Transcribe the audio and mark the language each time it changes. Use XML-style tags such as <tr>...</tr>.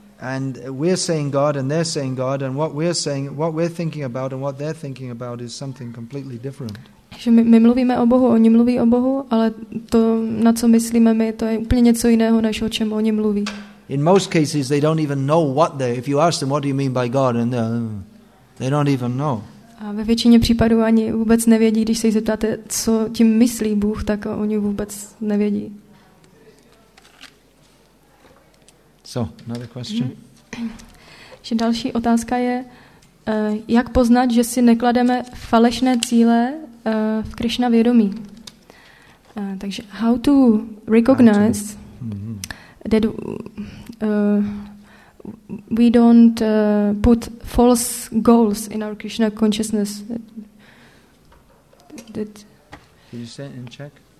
<en>And we're saying God and they're saying God and what we're saying, what we're thinking about and what they're thinking about is something completely different.</en> <cs>Že my mluvíme o Bohu, oni mluví o Bohu, ale to, na co myslíme my, to je úplně něco jiného, než o čem oni mluví.</cs> <en>In most cases they don't even know what they, if you ask them what do you mean by God and they don't even know.</en> <cs>A ve většině případů ani vůbec nevědí, když se jich zeptáte, co tím myslí Bůh, tak oni vůbec nevědí.</cs> <en>So, another question.</en> <cs>Že další otázka je, jak poznat, že si neklademe falešné cíle v Krishna vědomí. Takže</cs> <en>how to recognize that we don't put false goals in our Krishna consciousness. That, did you say it in Czech?</en>